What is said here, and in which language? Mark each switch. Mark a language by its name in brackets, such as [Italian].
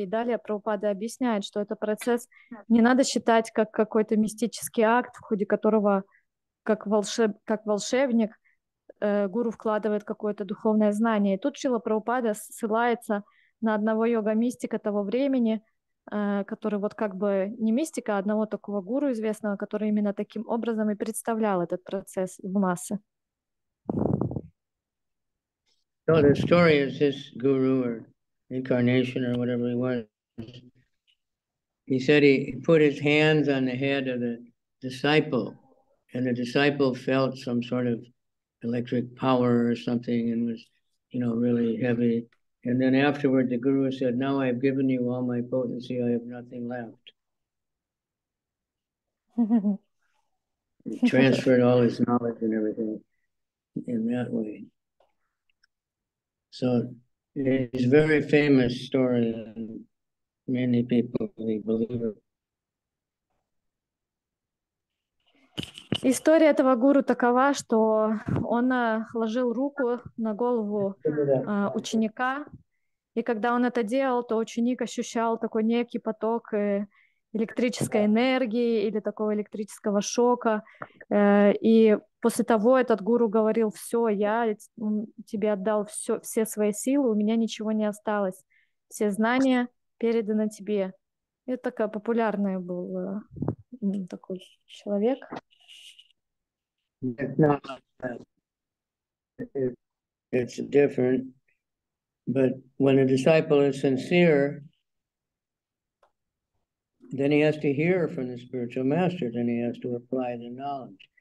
[Russian] И далее Прабхупада объясняет, что этот процесс не надо считать как какой-то мистический акт, в ходе которого как волшебник гуру вкладывает какое-то духовное знание. И тут Шрила Прабхупада ссылается на одного йога-мистика того времени, который вот как бы не мистика, а одного такого гуру известного, который именно таким образом и представлял этот процесс в массы. [English] So the story is this guru or incarnation or whatever he was. He said he put his hands on the head of the disciple, and the disciple felt some sort of electric power or something and was, you know, really heavy. And then afterward, the guru said, now I've given you all my potency, I have nothing left. He transferred all his knowledge and everything in that way. So it's a very famous story and many people really believe it. [Russian] История этого гуру такова, что он положил руку на голову ученика, и когда он это делал, то ученик ощущал такой некий поток электрической энергии или такого электрического шока. И после того этот гуру говорил: «Все, я тебе отдал все свои силы, у меня ничего не осталось, все знания переданы тебе». Это такой популярный был такой человек. [English] It's different, but when a disciple is sincere, then he has to hear from the spiritual master, then he has to apply the knowledge.